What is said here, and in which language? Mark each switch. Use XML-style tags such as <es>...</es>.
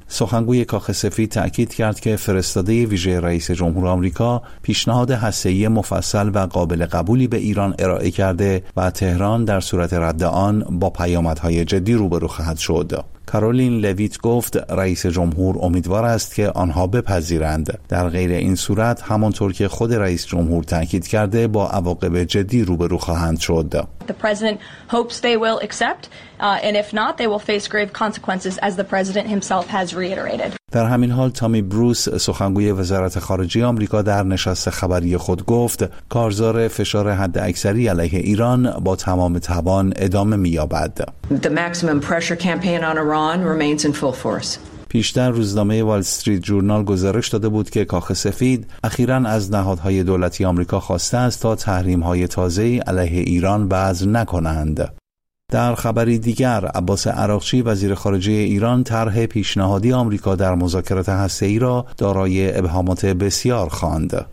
<fa>سخنگوی کاخ سفید تأکید کرد که فرستاده ویژه رئیس جمهور آمریکا پیشنهاد هسته‌ای مفصل و قابل قبولی به ایران ارائه کرده و تهران در صورت رد آن با پیامدهای جدی روبرو خواهد شد. کارولین لویت گفت رئیس جمهور امیدوار است که آنها بپذیرند، در غیر این صورت همانطور که خود رئیس جمهور تاکید کرده با عواقب جدی روبرو خواهند شد.</fa> <en>The president hopes they will accept and if not they will face grave consequences as the president himself has reiterated.</en> <fa>در همین حال تامی بروس سخنگوی وزارت خارجه آمریکا در نشست خبری خود گفت کارزار فشار حد اکثری علیه ایران با تمام توان ادامه می‌یابد.</fa> <en>The maximum pressure campaign on Iran remains in full force.</en> <fa>پیشتر روزنامه وال استریت جورنال گزارش داده بود که کاخ سفید اخیراً از نهادهای دولتی آمریکا خواسته است تا تحریم‌های تازه‌ای علیه ایران وضع نکنند. در خبری دیگر، عباس عراقچی وزیر خارجه ایران طرح پیشنهادی آمریکا در مذاکرات هسته‌ای را دارای ابهامات بسیار خواند.</fa>